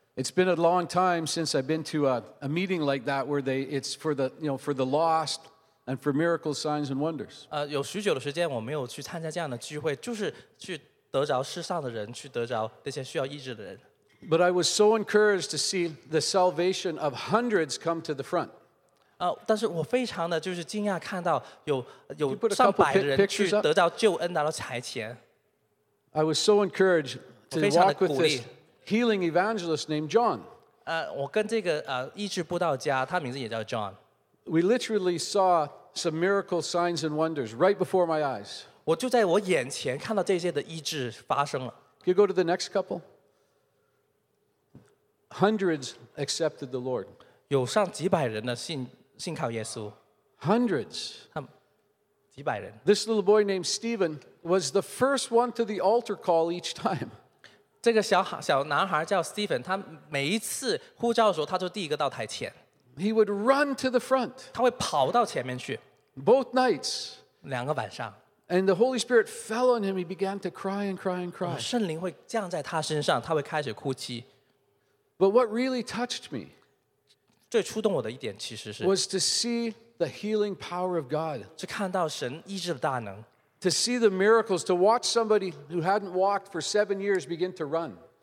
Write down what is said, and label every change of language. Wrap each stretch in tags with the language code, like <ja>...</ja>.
<en>It's been a long time since I've been to a meeting like that where it's for the, you know, for the lost. And for miracles, signs, and wonders.</en> <zh>有许久的时间我没有去参加这样的聚会，就是去得着世上的人，去得着那些需要医治的人。</zh> <en>But I was so encouraged to see the salvation of hundreds come to the front.</en> <zh>但是我非常的就是惊讶看到有上百的人去得着救恩，拿到台前。</zh> <en>I was so encouraged to walk with this healing evangelist named John.</en> <zh>我跟这个医治布道家，他名字也叫John。</zh> <en>We literally saw some miracle signs and wonders right before my eyes.</en> <zh>我就在我眼前看到这些的医治发生了。</zh> <en>Can you go to the next couple? Hundreds accepted the Lord.</en> <zh>有上几百人的信靠耶稣。</zh> <en>Hundreds.</en> <zh>几百人。</zh> <en>This little boy named Stephen was the first one to the altar call each time.</en> <zh>这个小男孩叫Stephen，他每一次呼召的时候，他就第一个到台前。</zh> <en>He would run to the front.</en> <zh>他会跑到前面去,</zh> <en>both nights.</en> <zh>两个晚上,</zh> <en>and the Holy Spirit fell on him. He began to cry and cry and cry.</en> <zh>圣灵会降在他身上, 他会开始哭泣。</zh> <en>But what really touched me</en> <zh>最触动我的一点其实是,</zh> <en>was to see the healing power of God.</en> <zh>去看到神医治的大能,</zh> <en>to see the miracles, to watch somebody who hadn't walked for 7 years begin to run.</en>